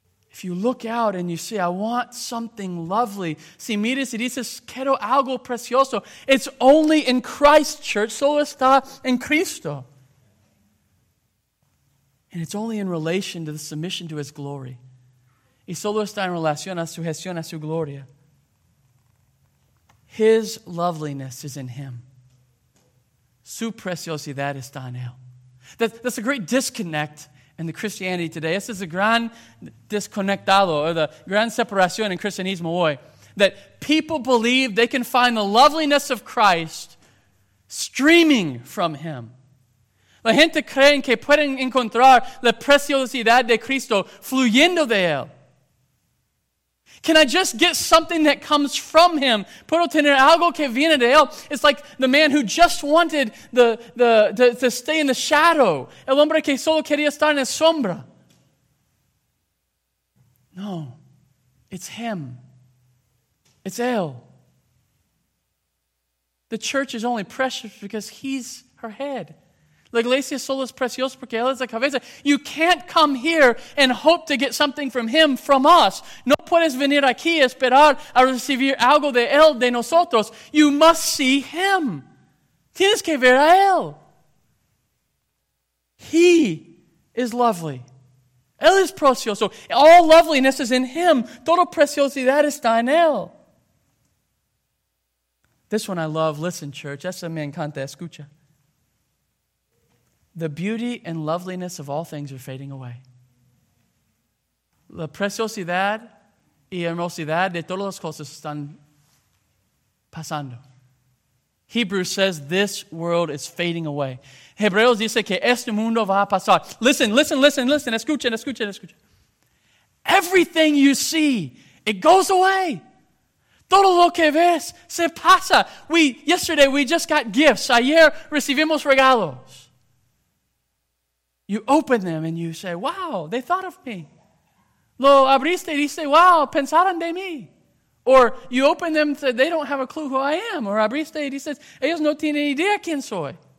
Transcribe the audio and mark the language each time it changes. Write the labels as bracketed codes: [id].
[en] If you look out and you say, I want something lovely, [es] si miras y dices, quiero algo precioso, [en] it's only in Christ, church, [es] solo está en Cristo. [en] And it's only in relation to the submission to his glory. [es] Y solo está en relación a su gestión, a su gloria. [en] His loveliness is in him. [es] Su preciosidad está en él. [en] That's a great disconnect and the Christianity today. This is a [es] gran desconectado, [en] or the [es] gran separación [en] in [es] Cristianismo hoy, [en] that people believe they can find the loveliness of Christ streaming from him. [es] La gente cree que pueden encontrar la preciosidad de Cristo fluyendo de él. [en] Can I just get something that comes from him? [es] Puedo tener algo que viene de él. [en] It's like the man who just wanted to stay in the shadow. [es] El hombre que solo quería estar en la sombra. [en] No, it's him. It's [es] él. [en] The church is only precious because he's her head. [es] La iglesia solo es preciosa porque él es la cabeza. [en] You can't come here and hope to get something from him, from us. [es] No puedes venir aquí y esperar a recibir algo de él, de nosotros. [en] You must see him. [es] Tienes que ver a él. [en] He is lovely. [es] Él es precioso. [en] All loveliness is in him. [es] Toda preciosidad está en él. [en] This one I love. Listen, church. [es] Esa me encanta. Escucha. [en] The beauty and loveliness of all things are fading away. [es] La preciosidad y hermosidad de todas las cosas están pasando. [en] Hebrews says this world is fading away. [es] Hebreos dice que este mundo va a pasar. [en] Listen. [es] Escuchen. [en] Everything you see, it goes away. [es] Todo lo que ves se pasa. [en] Yesterday we just got gifts. [es] Ayer recibimos regalos. [en] You open them and you say, wow, they thought of me. [es] Lo abriste y dice, wow, pensaron de mí. [en] Or you open them and say, they don't have a clue who I am. [es] Or abriste y dice, ellos no tienen idea quién soy.